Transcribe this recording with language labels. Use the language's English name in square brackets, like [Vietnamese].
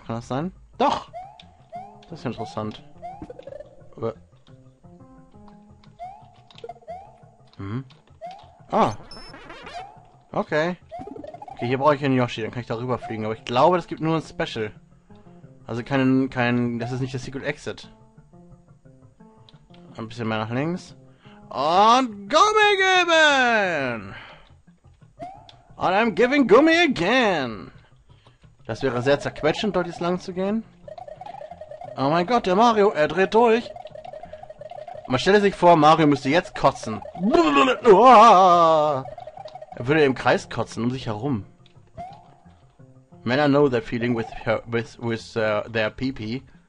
[German] Kann das sein? Doch! Das ist ja interessant. Aber ah. Okay. Okay, hier brauche ich einen Yoshi, dann kann ich da rüberfliegen. Aber ich glaube, das gibt nur ein Special. Also kein, das ist nicht der Secret Exit. Ein bisschen mehr nach links. Und Gummi geben! [English] And I'm giving Gummi again! [German] Das wäre sehr zerquetschend, dort jetzt lang zu gehen. Oh mein Gott, der Mario, er dreht durch! Man stelle sich vor, Mario müsste jetzt kotzen. Er würde im Kreis kotzen, um sich herum. [English] Männer know that feeling with her, with their pee-pee.